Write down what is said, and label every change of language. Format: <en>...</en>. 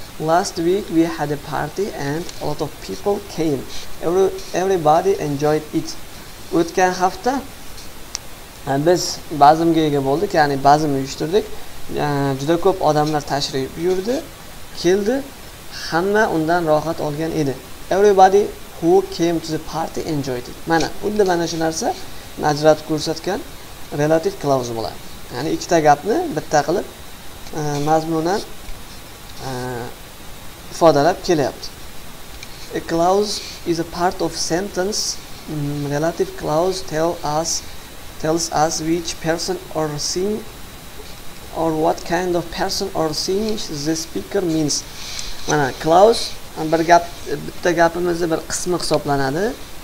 <en>Last week we had a party and a lot of people came. Everybody enjoyed it.</en> <uz>O'tgan hafta biz bazimga ega bo'ldik, ya'ni bazim uyushtirdik. Juda ko'p odamlar tashrif buyurdi, keldi, hamma undan rohat olgan edi.</uz> <en>Everybody who came to the party enjoyed it.</en> <uz>Mana bunda mana shu narsa ajratib ko'rsatgan relative clause bo'ladi. Ya'ni ikkita gapni bitta qilib mazmunan ifodalab kelyapti.</uz> <en>A clause is a part of sentence. Relative clause tells us which person or thing or what kind of person or thing the speaker means.</en> <uz>Mana clause bir gap, bitta gapimizni bir qismi hisoblanadi.</uz>